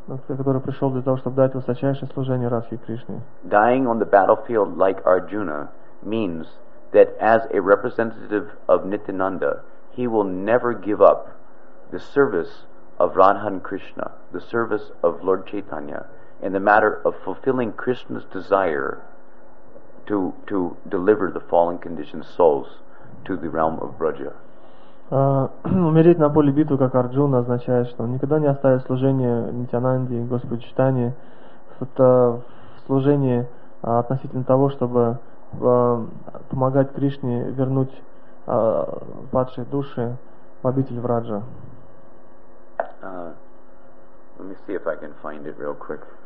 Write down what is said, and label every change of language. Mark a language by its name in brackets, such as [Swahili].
[Russian] Который пришел для того, чтобы дать высочайшее служение Радхе и Кришне. [English] Dying on the battlefield like Arjuna means that as a representative of Nityananda, he will never give up the service of Radha and Krishna, the service of Lord Chaitanya, in the matter of fulfilling Krishna's desire to deliver the fallen conditioned souls to the realm of Braja. [Russian] Умереть на поле битвы, как Арджуна, означает, что он никогда не оставит служение Нитьянанде и Господу Чайтанье. Это служение относительно того, чтобы помогать Кришне вернуть падшие души в обитель Враджа. [English] Let me see if I can find it real quick.